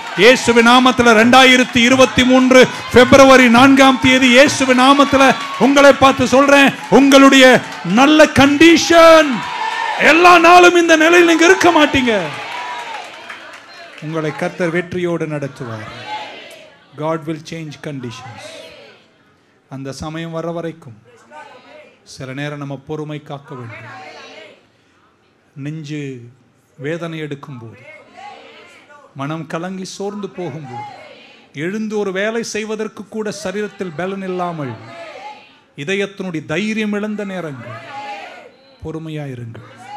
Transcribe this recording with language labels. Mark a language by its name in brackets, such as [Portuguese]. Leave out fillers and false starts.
[Tamil] இயேசுவின் நாமத்துல 2023 February 4 இயேசுவின் நாமத்துல உங்களை பார்த்து சொல்றேன், உங்களுடைய நல்ல கண்டிஷன், எல்லா நாளும் இந்த நிலையில் நீங்க இருக்க மாட்டீங்க. உங்களை கர்த்தர் வெற்றியோடு நடத்துவார். [English] God will change conditions. [Tamil] அந்த சமயம் வர வரைக்கும் சில நேரம் நம்ம பொறுமை காக்க வேண்டும். நெஞ்சு வேதனை எடுக்கும் போது, மனம் கலங்கி சோர்ந்து போகும்போது, எழுந்து ஒரு வேலை செய்வதற்கு கூட சரீரத்தில் பலன் இல்லாமல், இதயத்தினுடைய தைரியம் இழந்த நேரங்கள், பொறுமையாயிருங்கள்.